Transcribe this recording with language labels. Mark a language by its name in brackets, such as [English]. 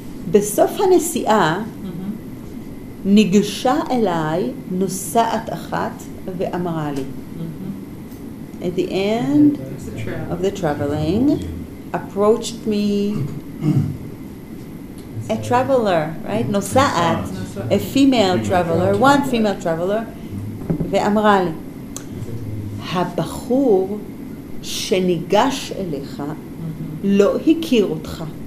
[Hebrew] בסוף הנסיעה ניגשה אליי נוסעת אחת ואמרה לי. [English] At the end of the traveling, approached me a traveler, right? [Hebrew] נוסעת, [English] a female traveler, one female traveler, [Hebrew] ואמרה לי, הבחור שניגש אליך לא הכיר אותך.